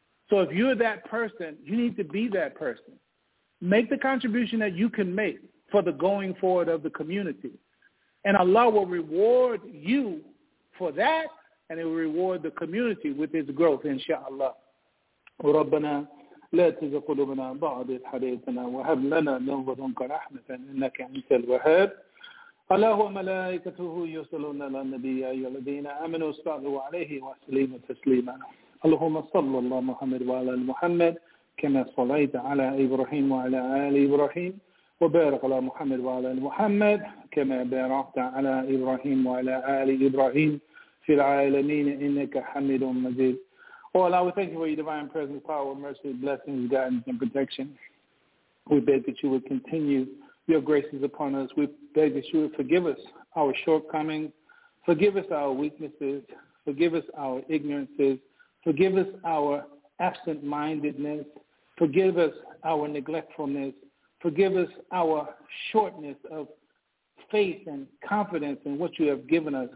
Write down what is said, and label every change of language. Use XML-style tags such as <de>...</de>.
<en>So if you're that person, you need to be that person. Make the contribution that you can make for the going forward of the community. And Allah will reward you for that, and it will reward the community with its growth, inshallah.</en> <ar>Rabbana. لا تزغ قلوبنا بعد إذ هديتنا وهب لنا من لدنك رحمة إنك أنت الوهاب الله وملائكته يصلون على النبي أيها الذين آمنوا صلوا عليه وسلموا تسليما اللهم صل على محمد وعلى محمد كما صليت على إبراهيم وعلى آل إبراهيم وبارك على محمد وعلى محمد كما باركت على إبراهيم وعلى آل إبراهيم في العالمين إنك حميد مجيد.</ar> <en>Oh, Allah, we thank you for your divine presence, power, mercy, blessings, guidance, and protection. We beg that you would continue your graces upon us. We beg that you would forgive us our shortcomings, forgive us our weaknesses, forgive us our ignorances, forgive us our absent-mindedness, forgive us our neglectfulness, forgive us our shortness of faith and confidence in what you have given us.</en>